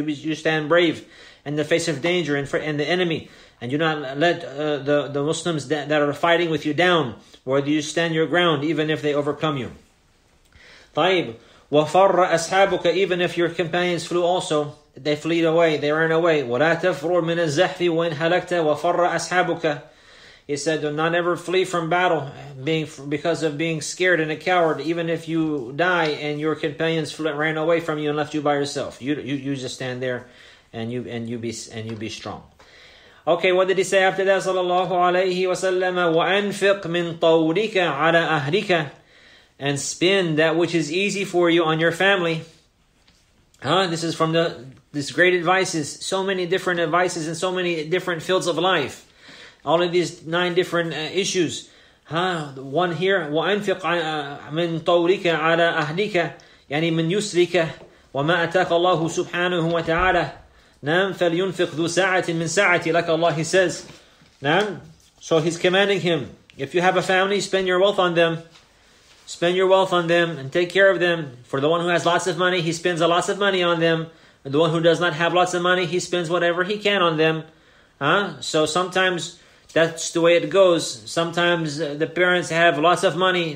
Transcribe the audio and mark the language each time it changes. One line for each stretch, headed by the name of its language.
English: You stand brave in the face of danger and the enemy, and you not let the Muslims that are fighting with you down. Whether you stand your ground, even if they overcome you.
Arabic: طيب, وفر أصحابك.
English: Even if your companions flew also, they fled away, they ran away.
Arabic: ولا تفرور من الزحف وإن هلكت وفر أصحابك.
English: He said, do not ever flee from battle because of being scared and a coward, even if you die and your companions ran away from you and left you by yourself. You just stand there and you be strong. Okay, what did he say after that? Sallallahu alayhi wa sallam,
Arabic: wa anfiq min tawrika ala ahlika,
English: and spend that which is easy for you on your family. This is from this great advices. So many different advices in so many different fields of life. All of these nine different issues.
Arabic: One here, وَأَنْفِقْ مِنْ طَوْرِكَ عَلَىٰ أَهْلِكَ يَعْنِي مِنْ يُسْرِكَ وَمَا أَتَاكَ اللَّهُ سُبْحَانُهُ وَتَعَالَىٰ. نعم فلينفق ذو ساعة من ساعتي
English: like Allah he says.
Arabic: نعم.
English: So he's commanding him, if you have a family, spend your wealth on them. Spend your wealth on them and take care of them. For the one who has lots of money, he spends a lots of money on them. And the one who does not have lots of money, he spends whatever he can on them. Huh? So sometimes that's the way it goes. Sometimes the parents have lots of money.